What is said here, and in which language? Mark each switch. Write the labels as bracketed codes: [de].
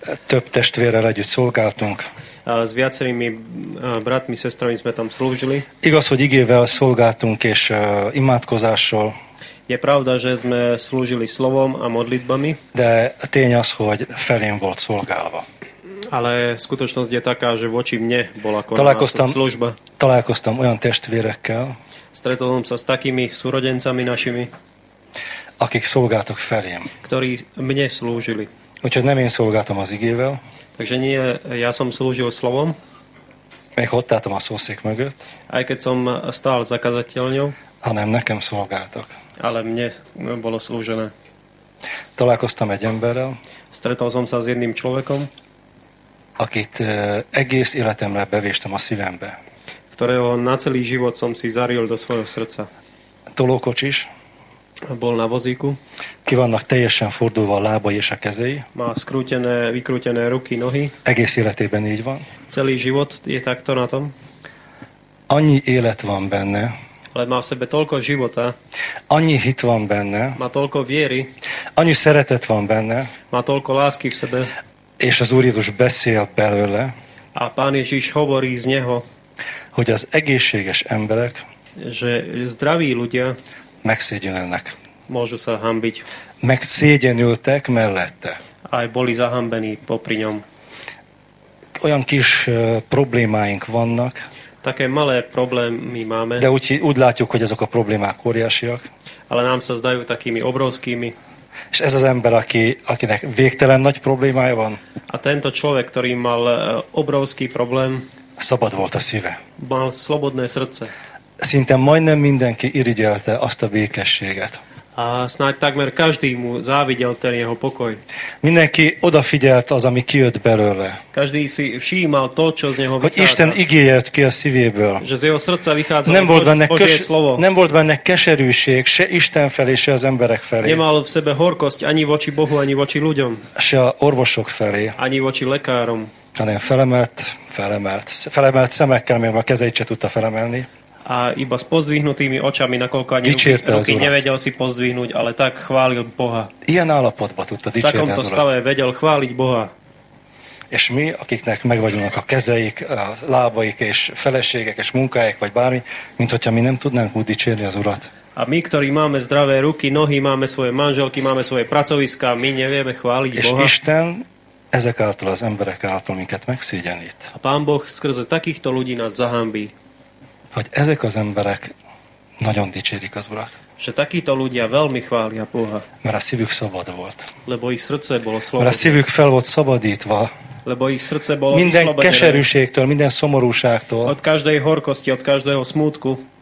[hu] Több testvérrel együtt szolgáltunk. [sk] S viacerými bratmi, sestrami sme tam slúžili. [hu] Igaz, hogy igével szolgáltunk és imádkozással. [sk] Je pravda, že sme slúžili slovom a modlitbami. [hu] De tény az, hogy felém volt szolgálva. [sk] Ale skutočnosť je taká, že voči mne bola konaná služba. [hu] találkoztam olyan testvérekkel, [sk] stretolom sa s takými súrodencami našimi, [hu] akik szolgáltak felém, [sk] ktorí mne slúžili. [hu] Úgyhogy nem én szolgáltam az igével. [sk] Takže nie ja som slúžil slovom. [hu] Még ott álltam a szószék mögött. [sk] Aj keď som stál za kazateľňou. [hu] Hanem nekem szolgáltak. [sk] Ale mne bolo slúžené. [hu] Találkoztam egy emberrel. [sk] Stretol som sa s jedným človekom. [hu] Akit egész életemre bevéstem a szívembe. [sk] Ktorého na celý život som si zaril do svojho srdca. [hu] Tolókocsis. [sk] Bol na vozíku. [hu] Ki vannak teljesen fordulva a lábai és a kezei. [sk] Má skrútené, vykrútené ruky, nohy. [hu] Egész életében így van. [sk] Celý život je takto na tom. [hu] Annyi élet van benne. [sk] Ale má v sebe toľko života. [hu] Annyi hit van benne. [sk] Má toľko viery. [hu] Annyi szeretet van benne. [sk] Má toľko lásky v sebe. [hu] És az Úr Jézus beszél belőle. [sk] A Pán Ježiš hovorí z neho. [hu] Hogy az egészséges emberek. [sk] Že zdraví ľudia. [hu] Megszégyenülnek. [sk] Môžu sa hanbiť. [hu] Megszégyenültek mellette. [sk] Aj boli zahambení popri ňom. [hu] Olyan kis problémáink vannak. [sk] Také malé problémy máme. [hu] De úgy látjuk, hogy azok a problémák óriásiak. [sk] Ale nám sa zdajú takými obrovskými. [hu] És ez az ember, akinek végtelen nagy problémája van. [sk] A tento človek, ktorý mal obrovský problém. [hu] Szabad volt a szíve. [sk] Mal slobodné srdce. [hu] Szinte majdnem mindenki irigyelte azt a békességet. [sk] A snáď takmer každý mu závidel ten jeho pokoj. [hu] Mindenki odafigyelt az, ami kijött belőle. [sk] Každý si všímal to, čo z neho vychádza. [hu] Hogy Isten igéje jött ki a szívéből. [sk] Že z jeho srdca vychádza Božie slovo. [hu] Nem volt benne keserűség, se Isten felé, se az emberek felé. [sk] Nemal v sebe horkosť ani voči Bohu, ani voči ľuďom. [hu] Se a orvosok felé. [sk] Ani voči lekárom. [hu] Hanem felemelt szemekkel, mert a kezeit se tudta felemelni. [sk] A iba s pozdvihnutými očami, nakoľko ani ruky nevedel si pozdvihnúť, ale tak chválil Boha. [hu] Ilyen állapotba tudta dicsérni az urat. [sk] V takomto stave vedel chváliť Boha. [hu] És mi, akiknek megvagyunk a kezeik, a lábaik, és feleségek, és munkáik, vagy bármi, mint hogyha mi nem tudnánk úgy dicsérni az urat. [sk] A my, ktorí máme zdravé ruky, nohy, máme svoje manželky, máme svoje pracoviská, my nevieme chváliť [hu] és [sk] Boha. [hu] És Isten ezek által az emberek által minket megszégyenít. [sk] A Pán Boh skrze takýchto ľudí nás zahambí. [hu] Hogy ezek az emberek nagyon dicsérik az Urat. [sk] Se takíto ľudia veľmi chvália Boha. [hu] Mert a szívük szabad volt. [sk] Lebo ich srdce bolo slobodné. [hu] Mert a szívük fel volt szabadítva. [sk] Lebo ich srdce bolo [hu] minden keserűségtől, minden szomorúságtól. [sk] Od každej horkosti, od každého smútku.